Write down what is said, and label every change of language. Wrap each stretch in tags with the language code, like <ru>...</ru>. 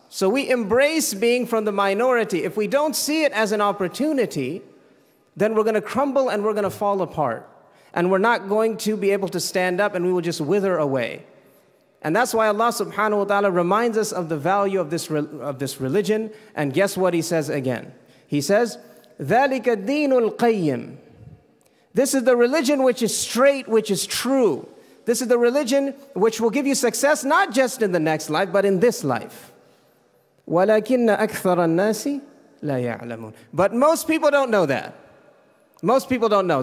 <en>So we embrace being from the minority. If we don't see it as an opportunity, then we're going to crumble and we're going to fall apart. And we're not going to be able to stand up and we will just wither away. And that's why Allah subhanahu wa ta'ala reminds us of the value of this religion. And guess what he says again? He says,</en> <ar>ذَلِكَ الدِّينُ الْقَيِّمُ.</ar> <en>This is the religion which is straight, which is true. This is the religion which will give you success, not just in the next life, but in this life.</en> <ar>وَلَكِنَّ أَكْثَرَ النَّاسِ لَا يَعْلَمُونَ.</ar> <en>But most people don't know that. Most people don't know.</en>